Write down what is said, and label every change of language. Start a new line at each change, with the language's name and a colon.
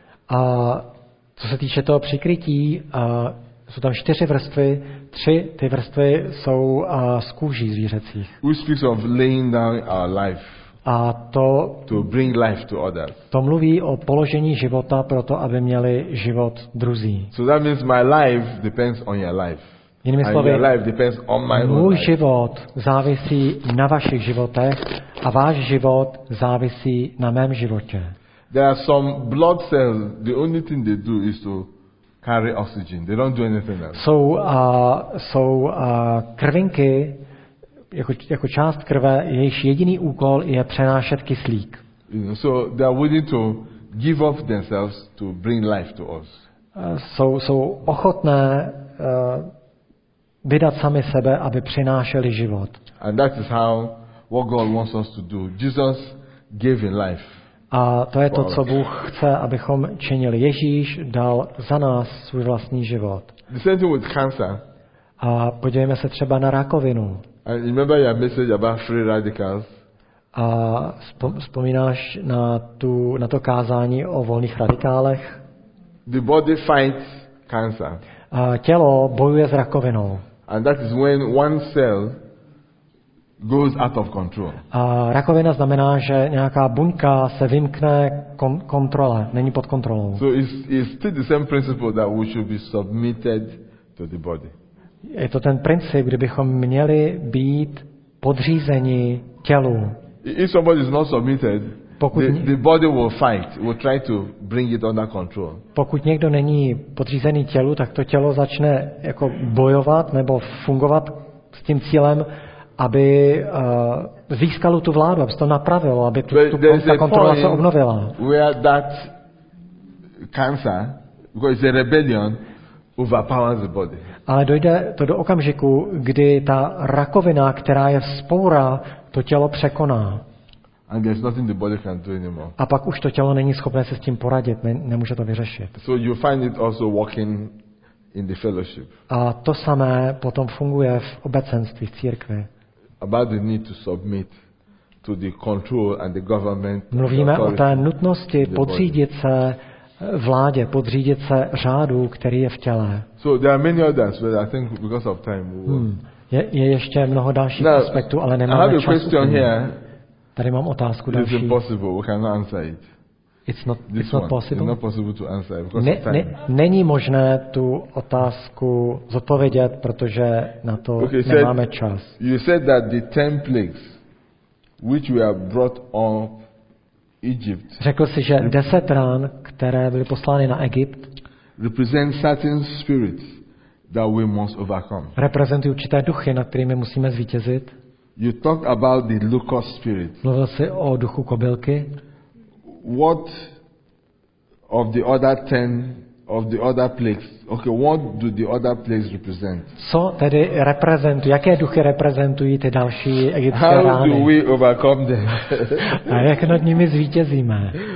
Czech: A co se týče toho přikrytí, jsou tam čtyři vrstvy, tři ty vrstvy jsou z kůží zvířecích.
English: Which speaks of laying down our life.
Czech: A to
English: to bring life to others.
Czech: To mluví o položení života proto, aby měli život druzí.
English: So that means my life depends on your life.
Czech: Jinými slovy,
English: your life depends on my own.
Czech: Můj život závisí na vašich životech a váš život závisí na mém životě.
English: There are some blood cells, the only thing they do is to carry oxygen. They don't do anything else.
Czech: Jsou krvinky, jako část krve, jejich jediný úkol je přenášet kyslík.
English: So they are willing to give up themselves to bring life to us.
Czech: Jsou ochotné vydat sami sebe, aby přinášeli život.
English: And that is how what God wants us to do. Jesus gave in life.
Czech: A to je to, co Bůh chce, abychom činili. Ježíš dal za nás svůj vlastní život.
English: The same thing with cancer.
Czech: A podívejme se třeba na rakovinu.
English: And remember your message about free radicals.
Czech: A vzpomínáš na to kázání o volných radikálech?
English: The body fights cancer.
Czech: A tělo bojuje s rakovinou.
English: And that is when one cell goes out of control.
Czech: A rakovina znamená, že nějaká buňka se vymkne kontrole, není pod kontrolou.
English: So it's still the same principle that we should be submitted to the body.
Czech: Je to ten princip, kdybychom měli být podřízeni tělu.
English: If somebody is not submitted, the body will fight, will try to bring it under control.
Czech: Pokud někdo není podřízený tělu, tak to tělo začne jako bojovat nebo fungovat s tím cílem, aby získalo tu vládu, aby se to napravilo, aby ta kontrola se obnovila.
English: Where that cancer, because it's a rebellion, overpowers the body.
Czech: Ale dojde to do okamžiku, kdy ta rakovina, která je vzpoura, to tělo překoná.
English: And there's nothing the body can do anymore.
Czech: A pak už to tělo není schopné se s tím poradit, nemůže to vyřešit.
English: So you find it also working in the fellowship.
Czech: A to samé potom funguje v obecenství, v církvi.
English: About the need to submit to the control and the government.
Czech: Mluvíme o té nutnosti podřídit se vládě, podřídit se řádu, který je v těle.
English: So there are many others, but I think because of time we will.
Czech: Je ještě mnoho dalších aspektů, ale nemáme
English: čas. I have a question here.
Czech: Tady mám otázku
English: it's
Czech: další.
English: It's impossible. We cannot answer it. It's not possible to answer because
Czech: Není možné tu otázku zodpovědět, protože na to nemáme čas.
English: You said that the 10 plagues which we have brought on Egypt.
Czech: Řekl jsi, že 10 rán, které byly poslány na Egypt,
English: represent certain spirits that we must overcome.
Czech: Reprezentují určité duchy, nad kterými musíme zvítězit.
English: You talk about the locust spirit.
Czech: Mluvil jsi o duchu kobylky.
English: What of the other 10 of the other plagues? Okay, what do the other plagues represent?
Czech: Co tedy reprezentují? Jaké duchy reprezentují ty další egyptské rány?
English: How do we overcome them?
Czech: A jak nad nimi zvítězíme?